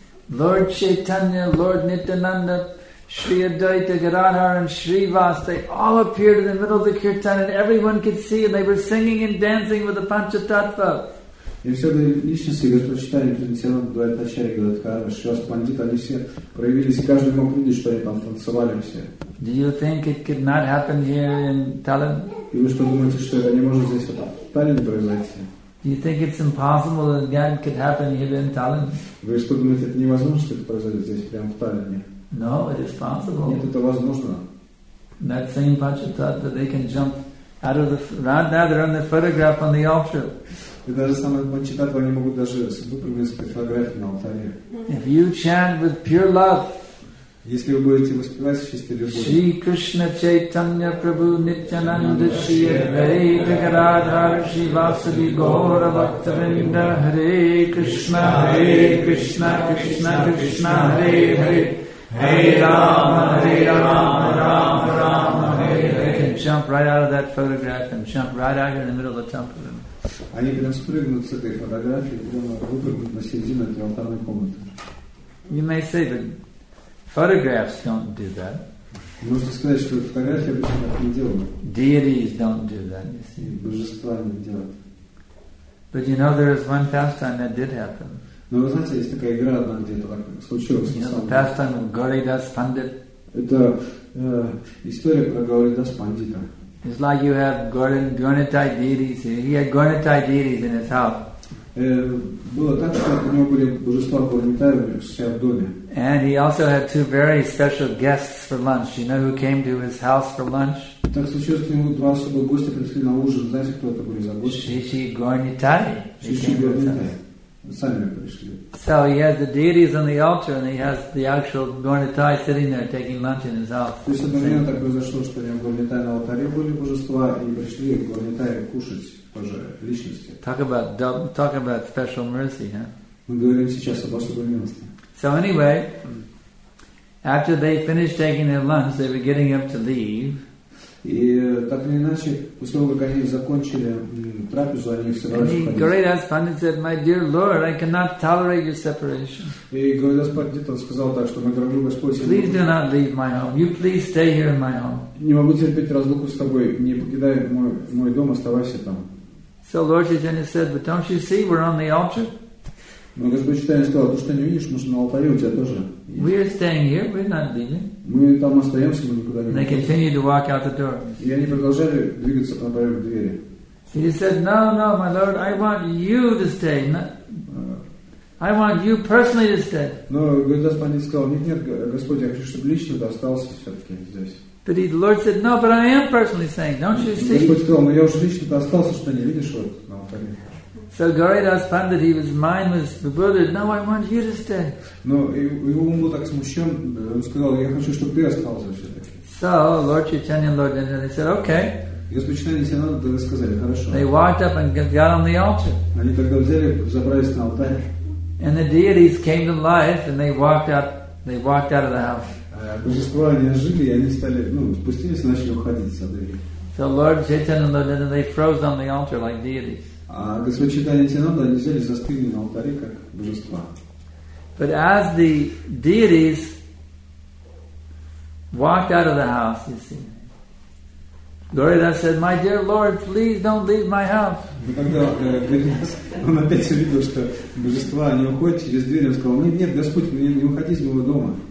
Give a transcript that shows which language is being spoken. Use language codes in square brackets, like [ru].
[en] Lord Chaitanya, Lord Nityananda, Sri Advaita Gadadhar and Sri Vas, they all appeared in the middle of the kirtan and everyone could see and they were singing and dancing with the Panchatattva. [ru] И все эти личности, которые читали Кринсиан, Дуайта Ачарья, Гададхара, Шриваса Пандита, они все проявились, и каждый мог видеть, что они там танцевали все. [en] Do you think it could not happen here in Tallinn? [ru] И вы что думаете, что это не может здесь вот там, в Таллине произойти? [en] Do you think it's impossible that that could happen here in Tallinn? [ru] Вы что думаете, это невозможно, что это произойдет здесь, прямо в Таллине? [en] No, it is possible. [ru] Нет, это возможно. [en] That same Панчататва, they can jump out of the... Right now they're on the photograph on the altar. [ru] И даже самые панчататвы, они могут даже выпрямиться по фотографии на алтаре. [en] If you chant with pure love, [ru] если вы будете воспевать с чистой любовью, [sa] Шри Кришна Чайтанья Прабху Нитьянанда Шри Адвайта Гададхар Шри Васади Гаура Бхактавинда Хари Кришна Кришна Кришна Хари Хари Хари Рама Рама Рама Рама Хари. [en] jump right out of that photograph and jump right out here in the middle of the temple room. [ru] Они прям спрыгнут с этой фотографии прямо выпрыгнут на середину этой алтарной комнаты. [en] You may say that photographs don't do that. [ru] Можно сказать, что фотографии обычно так не делают. [en] Deities don't do that. You see. [ru] Божества не делают. [en] But you know, there is one pastime that did happen. [ru] Но вы знаете, есть такая игра одна, где это так случилось. [en] You know, the pastime of Gauridas Pandit. [ru] Это история про Gauridas Pandita. [en] It's like you have Gaurinathai deities. He had Gaurinathai deities in his house. [ru] Было так, что у него были божества Гаурнитаи у себя в доме. [en] And he also had two very special guests for lunch. You know who came to his house for lunch? [ru] Так случилось, что у него два особых гостя пришли на ужин. Знаете, кто это были за гости? Шиши Гаурнитаи. Шиши Гаурнитаи. Сами пришли. [en] So he has the deities on the altar, and he has the actual Гаурнитаи sitting there taking lunch in his house. [ru] То есть одновременно так произошло, что у него Гаурнитаи на алтаре были божества, и пришли Гаурнитаи кушать. [en] Talk about special mercy, huh? [ru] Мы говорим сейчас об особой милости. [en] So anyway, after they finished taking their lunch, they were getting up to leave. [ru] И так или иначе, после того как они закончили трапезу, они все равно. [en] And Gauridas Pandit said, "My dear Lord, I cannot tolerate your separation." [ru] И Gauridas Pandit сказал так, что мой дорогой Господь, [en] please do not leave my home. You please stay here in my home. [ru] Не могу терпеть разлуку с тобой. Не покидай мой дом, оставайся там. [en] So Lord Chaitanya said, "But don't you see, we're on the altar?" [ru] Но Господь Чайтанья сказал, то что не видишь, мы же на алтаре у тебя тоже. [en] We are staying here. We're not leaving. [ru] Мы там остаемся, мы никуда не уходим. [en] They continued to walk out the door. [ru] И они продолжали двигаться по направлению к двери. [en] He said, "No, no, my Lord, I want you to stay. I want you personally to stay." [ru] Но Господь сказал, нет, Господь, я хочу, чтобы лично ты остался все-таки здесь. [en] But the Lord said, "No, but I am personally saying, don't you see?" [ru] Господь сказал, но я уже лично то остался, что не видишь вот на алтаре. [en] So Gauridas Pandit, his mind was bewildered. "No, I want you to stay." [ru] Но его ум был так смущен, он сказал, я хочу, чтобы ты остался все-таки. [en] So Lord Chaitanya, Lord Chaitanya said, "Okay." [ru] Господь Чайтанья и Сенанда тогда сказали, хорошо. [en] They walked up and got on the altar. [ru] Они тогда взяли, забрались на алтарь. [en] And the deities came to life, and they walked out. They walked out of the house. [ru] Божества они ожили, и они стали, ну, спустились и начали уходить со двери. [en] So Lord Chaitanya and Lord Nityananda, they froze on the altar like deities. [ru] А Господь Чайтанья и Сенанда, они взяли, застыли на алтаре как божества. [en] But as the deities walked out of the house, you see, Gauridas said, "My dear Lord, please don't leave my house." [ru] Но тогда Гаурдас, он опять увидел, что божества они уходят через дверь, он сказал, нет, Господь, мне не уходи из моего дома.